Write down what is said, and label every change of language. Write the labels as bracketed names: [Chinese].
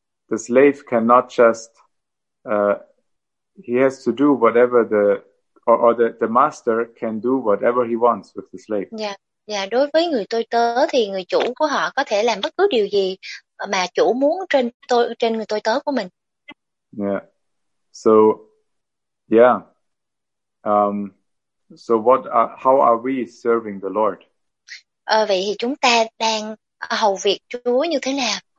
[English] The slave cannot just he has to do whatever the master can do whatever he wants with the slave. Yeah. [Vietnamese] Yeah, đối với người tôi tớ thì người chủ của họ có thể làm bất cứ điều gì mà chủ muốn trên người tôi tớ của mình. [English] Yeah. So yeah. So how are we serving the Lord? [Vietnamese] Vậy thì chúng ta đang hầu việc Chúa như thế nào?